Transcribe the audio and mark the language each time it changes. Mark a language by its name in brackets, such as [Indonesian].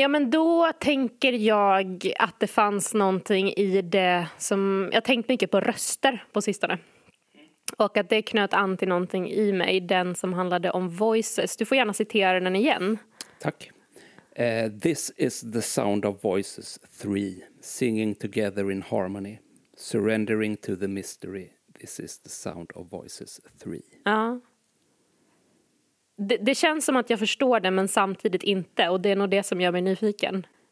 [Swedish] Då tänker jag att det fanns någonting i det som... Jag tänkte mycket på röster på sistone. Och att det knöt an till någonting i mig, den som handlade om voices. Du får gärna citera den igen. Tack. [English] This is the sound of voices three, singing together in harmony, surrendering to the mystery. This is the sound of voices three. [Swedish] Ja. Det känns som att jag förstår det, men samtidigt inte. Och det är nog det som gör mig nyfiken.